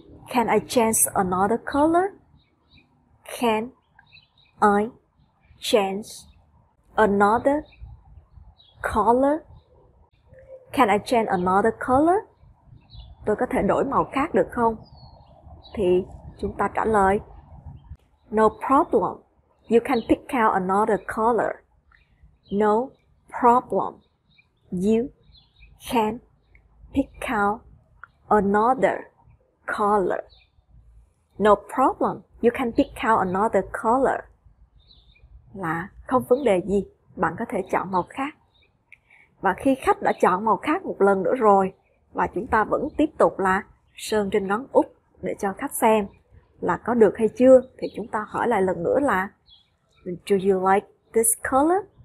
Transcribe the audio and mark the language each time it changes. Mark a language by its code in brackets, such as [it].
[en] Can I change another color? Can I change another color? Can I change another color? [vi] Tôi có thể đổi màu khác được không? Thì chúng ta trả lời [en] No problem. You can pick out another color. No problem. You can pick out another color. No problem. You can pick out another color. [vi] Là không vấn đề gì, bạn có thể chọn màu khác. Và khi khách đã chọn màu khác một lần nữa rồi, và chúng ta vẫn tiếp tục là sơn trên ngón út để cho khách xem là có được hay chưa, thì chúng ta hỏi lại lần nữa là [en] Do you like this color?